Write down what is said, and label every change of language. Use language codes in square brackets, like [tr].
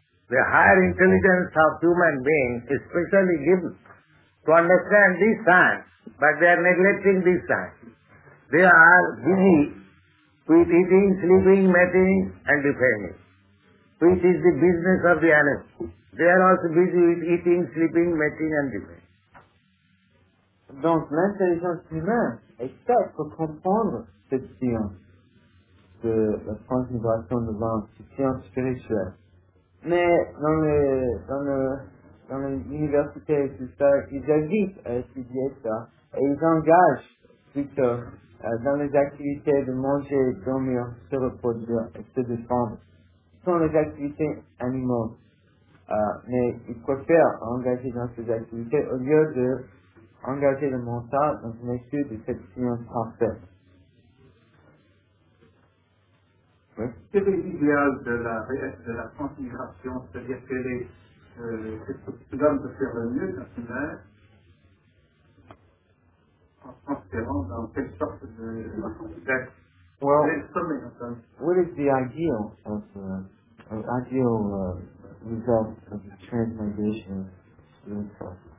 [en] The higher intelligence of human beings is specially given to understand this science, but they are neglecting this science. They are busy with eating, sleeping, mating, and defending, which is the business of the animal. They are also busy with eating, sleeping, mating, and defending. [fr] Donc, l'intelligence humaine est faite pour comprendre cette science de la transmigration de l'âme, cette science spirituelle. Mais dans les universités et tout ça, ils hésitent à étudier ça et ils engagent plutôt dans les activités de manger, dormir, se reposer et se défendre. Ce sont les activités animales. Mais il préfère engager dans ces activités au lieu d'engager le mental dans une étude de cette science parfaite. Quel est l'idéal de la transmigration, c'est-à-dire quel est ce que l'homme peut faire le mieux quand il meurt en transférant dans quelle sorte de contexte? [en] Well, what is the ideal of the ideal result of the transmigration of student self?